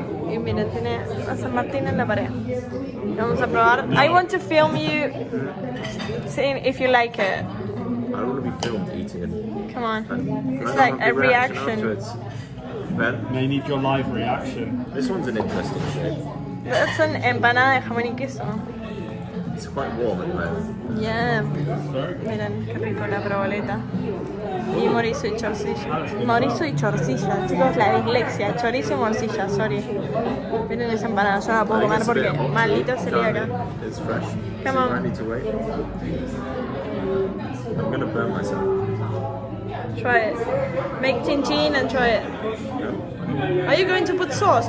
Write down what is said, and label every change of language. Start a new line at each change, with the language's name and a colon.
Spanish: Y miren, tiene a San Martín en la pared. Vamos a probar.
English: I want to film you, seeing if you like it. I don't want to be filmed eating. Come on. It's like a reaction. Ben? They need your live reaction. This one's an interesting shape. That's an
Spanish: empanada de jamón y queso.
English: It's quite warm at the moment.
Spanish: Yeah. Miren, qué rico la proboleta. Y morizo y chorcilla. Morizo y chorcilla, chicos, la dislexia. Chorizo y morcilla, sorry. Miren esa empanada, yo no la puedo comer porque maldita sería acá.
English: It's fresh. Come on. I need to wait. I'm gonna burn myself. Try it. Make chin chin and try it. Are you going to put sauce?